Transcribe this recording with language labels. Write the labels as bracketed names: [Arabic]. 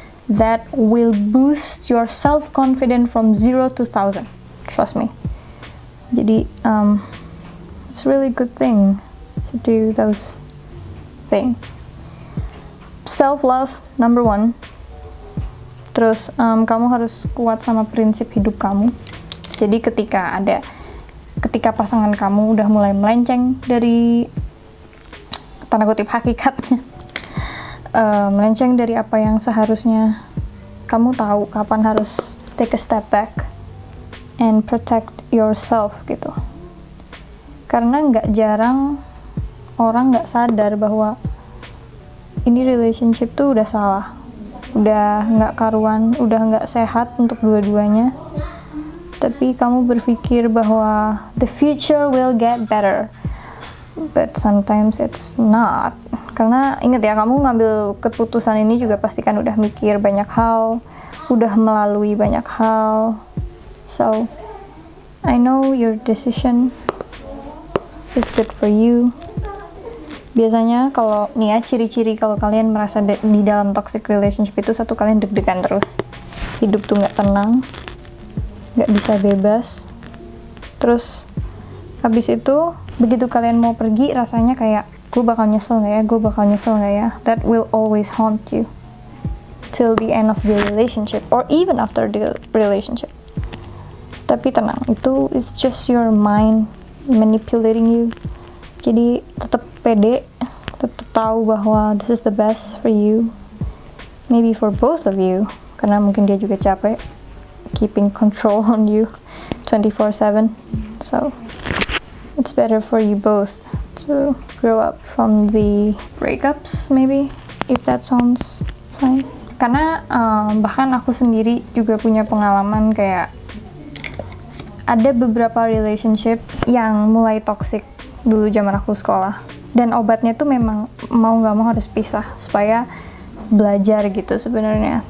[English] That will boost your self-confidence from 0 to 1000. Trust me. [Indonesian] Jadi, [English] it's really good thing to do those thing. Self-love, number one. [Indonesian] Terus, kamu harus kuat sama prinsip hidup kamu. Jadi, ketika pasangan kamu udah mulai melenceng dari, tanda kutip hakikatnya, melenceng dari apa yang seharusnya, kamu tahu kapan harus [English] take a step back and protect yourself [Indonesian] gitu. Karena nggak jarang orang nggak sadar bahwa ini relationship tuh udah salah, udah nggak karuan, udah nggak sehat untuk dua-duanya. Tapi kamu berpikir bahwa [English] the future will get better, but sometimes it's not. [Indonesian] Karena ingat ya, kamu ngambil keputusan ini juga pasti kan udah mikir banyak hal, udah melalui banyak hal. [English] So I know your decision is good for you. [Indonesian] Biasanya kalau nih ya, ciri-ciri kalau kalian merasa di dalam toxic relationship itu, satu, kalian deg-degan terus, hidup tuh nggak tenang, nggak bisa bebas. Terus habis itu begitu kalian mau pergi, rasanya kayak gue bakal nyesel nggak ya. [English] That will always haunt you till the end of the relationship or even after the relationship. [Indonesian] Tapi tenang, itu [English] is just your mind manipulating you. [Indonesian] Jadi tetap pede, tetap tahu bahwa [English] this is the best for you, maybe for both of you, [Indonesian] karena mungkin dia juga capek [English] keeping control on you 24/7. So it's better for you both to grow up from the breakups, maybe, if that sounds fine. [Indonesian] Karena bahkan aku sendiri juga punya pengalaman, kayak ada beberapa relationship yang mulai toxic dulu zaman aku sekolah, dan obatnya tuh memang mau nggak mau harus pisah supaya belajar gitu sebenarnya.